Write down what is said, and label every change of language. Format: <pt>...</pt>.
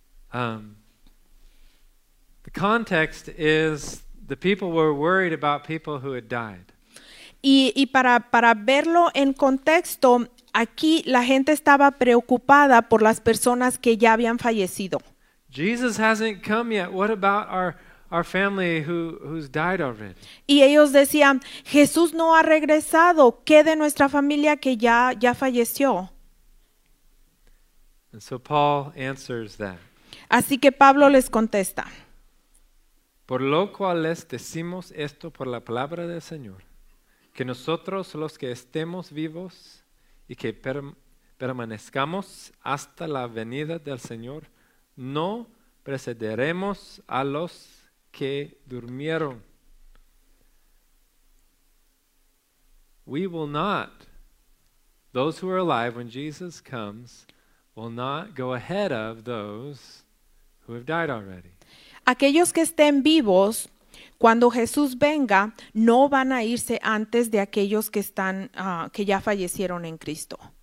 <en>The context is the people were worried about people who had died.</en> <es>Y para verlo en contexto, aquí la gente estaba preocupada por las personas que ya habían fallecido.</es> <en>Jesus hasn't come yet. What about our family who's died already?</en> <es>Y ellos decían, Jesús no ha regresado. ¿Qué de nuestra familia que ya falleció?</es> <en>And so Paul answers that.</en> <es>Así que Pablo les contesta. Por lo cual les decimos esto por la palabra del Señor, que nosotros los que estemos vivos y que permanezcamos hasta la venida del Señor, no precederemos a los que durmieron.</es> <en>We will not, those who are alive when Jesus comes, will not go ahead of those who have died already.</en> <es>Aquellos que estén vivos, cuando Jesús venga, no van a irse antes de aquellos que están, que ya fallecieron en Cristo.</es>